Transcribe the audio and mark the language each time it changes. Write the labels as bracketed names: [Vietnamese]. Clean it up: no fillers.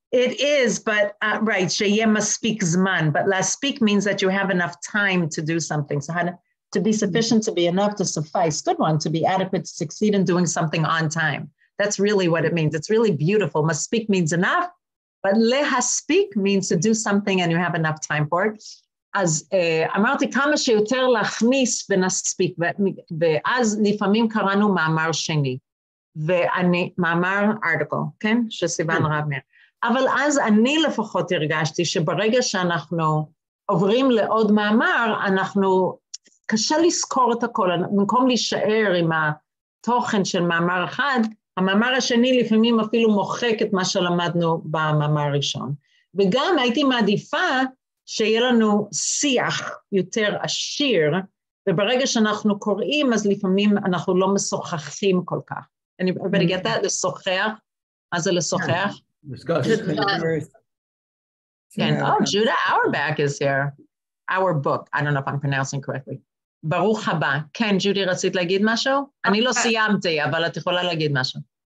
[English] It is, but right, [Hebrew] שיהיה מספיק זמן, [English] but להספיק means that you have enough time to do something. So to be sufficient, to be enough, to suffice, good one, to be adequate, to succeed in doing something on time. That's really what it means. It's really beautiful. מספיק means enough, but להספיק means to do something and you have enough time for it. [Hebrew] אז אמרתי כמה שיותר להכניס ונספיק, ואז לפעמים קראנו מאמר שני, ואני, מאמר article, כן? שסיוון רב מיר. אבל אז אני לפחות הרגשתי שברגע שאנחנו עוברים לעוד מאמר, אנחנו קשה לזכור את הכל, במקום להישאר עם התוכן של מאמר אחד, המאמר השני לפעמים אפילו מוחק את מה שלמדנו במאמר הראשון. וגם הייתי מעדיפה שיהיה לנו שיח יותר עשיר, וברגע שאנחנו קוראים, אז לפעמים אנחנו לא משוחחים כל כך. אני אגיד את זה, לשוחח, מה זה לשוחח? [English] Discussion. Yeah. Oh, Judah Auerbach is here. Our book. I don't know if I'm pronouncing correctly. [Hebrew] Baruch haba. Ken, Judy, רצית להגיד משהו? אני לא סיימתי, אבל את יכולה להגיד משהו.